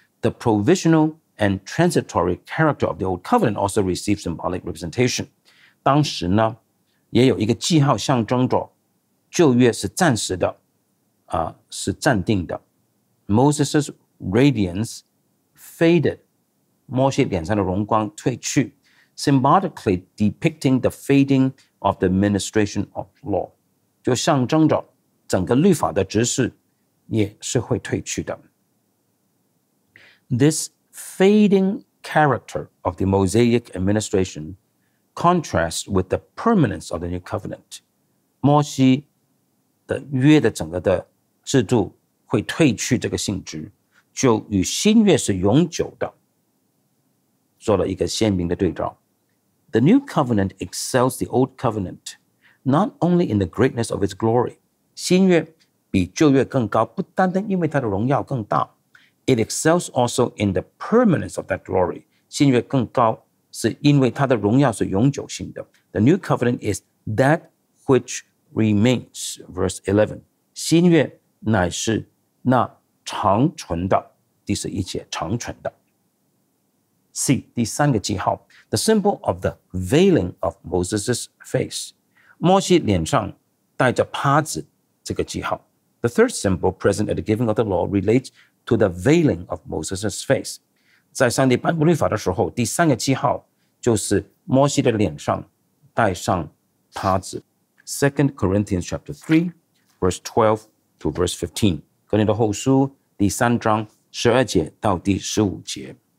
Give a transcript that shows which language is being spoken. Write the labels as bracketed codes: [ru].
[en] The provisional and transitory character of the old covenant also received symbolic representation. [zh] 当时呢，也有一个记号象征着旧约是暂时的，是暂定的。 [en] Moses' radiance faded. [zh] 摩西脸上的荣光褪去， [en] symbolically depicting the fading of the ministration of law. [zh] 就象征着整个律法的执事也是会褪去的。 [en] This fading character of the Mosaic administration contrasts with the permanence of the new covenant. [zh] 摩西的约的整个的制度会褪去这个性质，就与新约是永久的，做了一个鲜明的对照。 [en] The new covenant excels the old covenant, not only in the greatness of its glory. [zh] 新约比旧约更高，不单单因为它的荣耀更大。 [en] It excels also in the permanence of that glory. [zh] 新约更高是因为它的荣耀是永久性的。 [en] The new covenant is that which remains, verse 11. [zh] 新约乃是那长存的，第十一节，长存的。 C, 第三个记号， [en] the symbol of the veiling of Moses' face. [zh] 摩西脸上带着帕子，这个记号。 [en] The third symbol present at the giving of the law relates to the veiling of Moses' face. [zh] 在上帝颁布律法的时候，第三个记号就是摩西的脸上带上帕子。 [en] 2 Corinthians chapter 3, verse 12 to verse 15. [zh] 格林多后书第三章十二节到第十五节。